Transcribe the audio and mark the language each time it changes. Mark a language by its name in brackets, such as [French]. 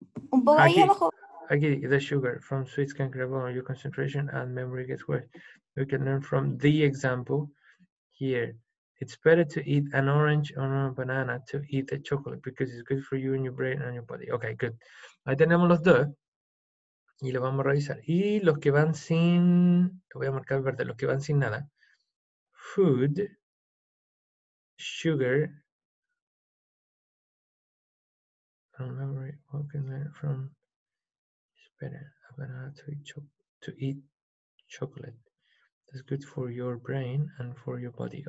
[Spanish] Un poco ahí abajo. [English] Aquí, the sugar. From sweets can grab on your concentration and memory gets worse. We can learn from the example. Here, it's better to eat an orange or a banana to eat the chocolate because it's good for you and your brain and your body. Okay, good. [Spanish] Ahí tenemos los dos y lo vamos a revisar. Y los que van sin, lo voy a marcar verde, los que van sin nada. [English] Food, sugar, memory, what can I learn from? It's better a banana to eat chocolate. It's good for your brain and for your body.